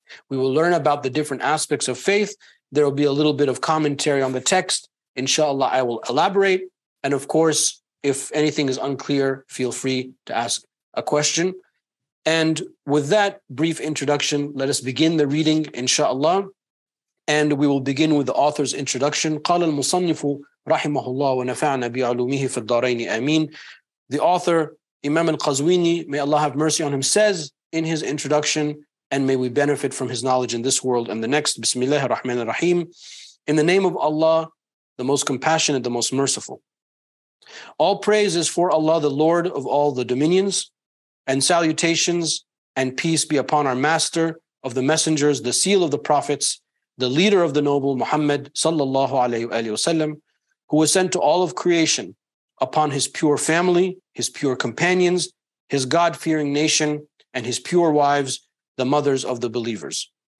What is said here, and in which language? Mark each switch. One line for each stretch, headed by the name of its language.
English: We will learn about the different aspects of faith. There will be a little bit of commentary on the text. Inshallah, I will elaborate. And of course, if anything is unclear, feel free to ask a question. And with that brief introduction, let us begin the reading, inshallah. And we will begin with the author's introduction.
Arabic: قال المصنف رحمه الله ونفعنا بعلومه في الدارين آمين.
English: The author, Imam al-Qazwini, may Allah have mercy on him, says in his introduction, and may we benefit from his knowledge in this world and the next. Bismillah ar-Rahman ar-Rahim. In the name of Allah, the most compassionate, the most merciful. All praise is for Allah, the Lord of all the dominions, and salutations and peace be upon our master of the messengers, the seal of the prophets, the leader of the noble Muhammad sallallahu alayhi wa sallam, who was sent to all of creation, upon his pure family, his pure companions, his God-fearing nation, and his pure wives, the mothers of the believers.